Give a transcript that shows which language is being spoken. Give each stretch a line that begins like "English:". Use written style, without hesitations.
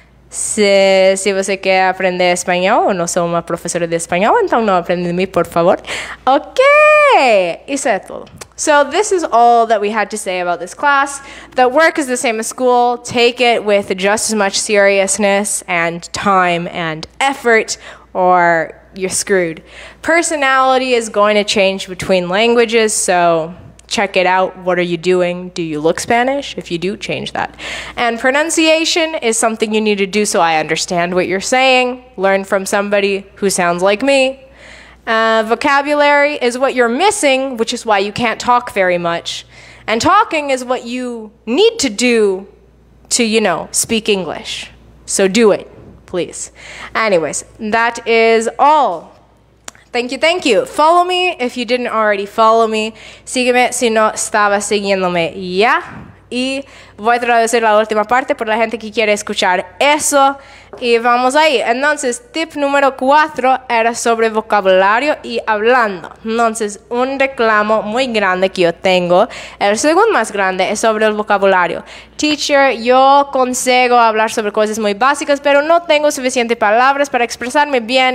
Portuguese: Si você quer aprender espanhol, eu não sou uma professora de espanhol, então não aprende de mim, por favor. Okay, isso é tudo.
English: So this is all that we had to say about this class. The work is the same as school. Take it with just as much seriousness and time and effort, or you're screwed. Personality is going to change between languages, so check it out. What are you doing? Do you look Spanish? If you do, change that. And pronunciation is something you need to do so I understand what you're saying. Learn from somebody who sounds like me. Vocabulary is what you're missing, which is why you can't talk very much. And talking is what you need to do to, you know, speak English. So do it, please. Anyways, that is all. Thank you, thank you. Follow me if you didn't already follow me.
Spanish: Sígueme si no estaba siguiéndome ya. Y voy a traducir la última parte por la gente que quiere escuchar eso. Y vamos ahí. Entonces, tip número 4 era sobre vocabulario y hablando. Entonces, un reclamo muy grande que yo tengo. El segundo más grande es sobre el vocabulario. Teacher, yo consigo hablar sobre cosas muy básicas, pero no tengo suficientes palabras para expresarme bien.